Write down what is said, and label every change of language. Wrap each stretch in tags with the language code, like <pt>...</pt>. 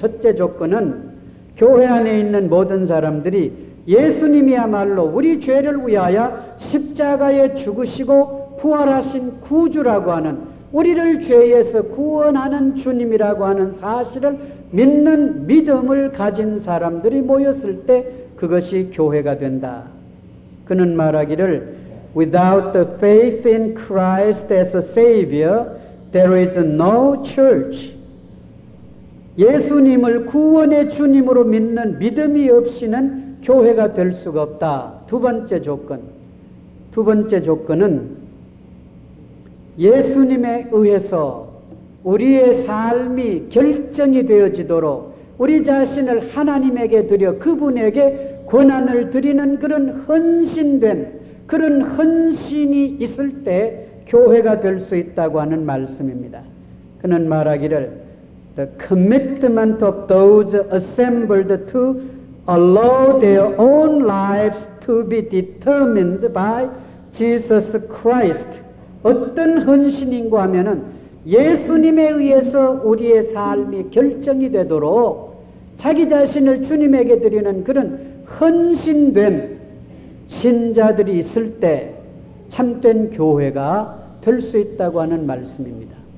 <ko>첫째 조건은 교회 안에 있는 모든 사람들이 예수님이야말로 우리 죄를 위하여 십자가에 죽으시고 부활하신 구주라고 하는, 우리를 죄에서 구원하는 주님이라고 하는 사실을 믿는 믿음을 가진 사람들이 모였을 때 그것이 교회가 된다. 그는 말하기를</ko> <en>Without the faith in Christ as a Savior, there is no church.</en> <ko>예수님을 구원의 주님으로 믿는 믿음이 없이는 교회가 될 수가 없다. 두 번째 조건은 예수님에 의해서 우리의 삶이 결정이 되어지도록 우리 자신을 하나님에게 드려 그분에게 권한을 드리는 그런 헌신된 그런 헌신이 있을 때 교회가 될 수 있다고 하는 말씀입니다. 그는 말하기를</ko> <en>The commitment of those assembled to allow their own lives to be determined by Jesus Christ.</en> <ko>어떤 헌신인고 하면은 예수님에 의해서 우리의 삶이 결정이 되도록 자기 자신을 주님에게 드리는 그런 헌신된 신자들이 있을 때 참된 교회가 될 수 있다고 하는 말씀입니다.</ko>